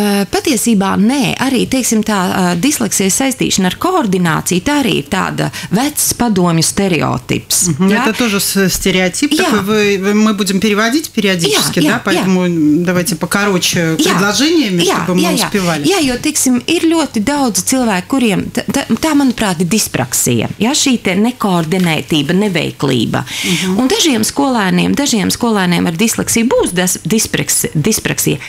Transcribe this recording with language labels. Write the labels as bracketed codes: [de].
[lv] Patiesībā nē, arī, teiksim, tā dislexija saistīšana ar koordināciju, tā arī ir tāda vecs padomju stereotips. [ru] Это тоже стереотип, такой, мы будем переводить периодически, да, поэтому давайте покороче предложениями, чтобы мы успевали. [lv] Jā, jo, teiksim, ir ļoti daudz cilvēku, kuriem, tā, manuprāt, ir dispraksija, ja, šī te nekoordinācija, neveiklība. Un dažiem skolēniem ar disleksiju būs dispraksija.